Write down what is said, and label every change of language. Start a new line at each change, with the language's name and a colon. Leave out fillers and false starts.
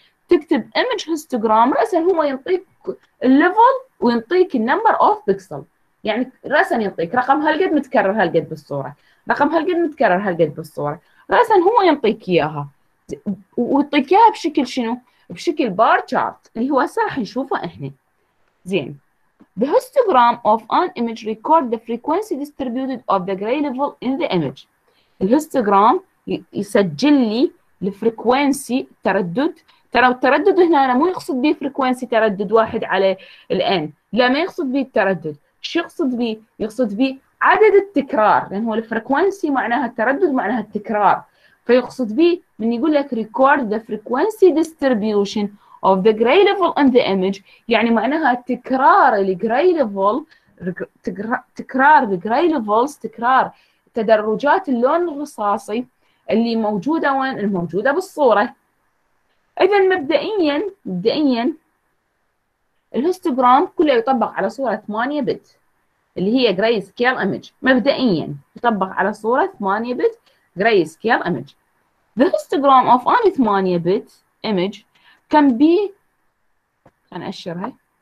Arabic: تكتب ايمج هيستوغرام، راسا هو ينطيك الليفل وينطيك النمبر اوف بيكسل، يعني راسا ينطيك رقم هالقد متكرر هالقد بالصوره، رقم هالقد متكرر هالقد بالصوره، راسا هو ينطيك اياها، ويعطيك اياها بشكل شنو؟ بشكل بار تشارت اللي هو هسه راح نشوفه احنا. زين.
English: The histogram of an image record the frequency distributed of the gray level in the image.
Arabic: الهستوغرام يسجل لي الفريكونسي، تردد، ترى التردد هنا أنا مو يقصد به فريكونسي تردد واحد على الان، لا ما يقصد به التردد، شو يقصد به؟ يقصد به عدد التكرار، لأن هو الفريكوانسي معناها التردد معناها التكرار، فيقصد به من يقول لك
English: record the frequency distribution of the gray level in the image،
Arabic: يعني معناها تكرار ال gray level، تكرار ال gray levels، تكرار تدرجات اللون الرصاصي اللي موجودة وين؟ الموجودة بالصورة. إذا مبدئيا، مبدئيا الهستوغرام كله يطبق على صورة 8 بت اللي هي جراي سكيل ايمج، مبدئيا يطبق على صوره 8 بت جراي سكيل ايمج.
English: The histogram of any 8
Arabic: بت ايمج
English: can be،
Arabic: خليني أشرها.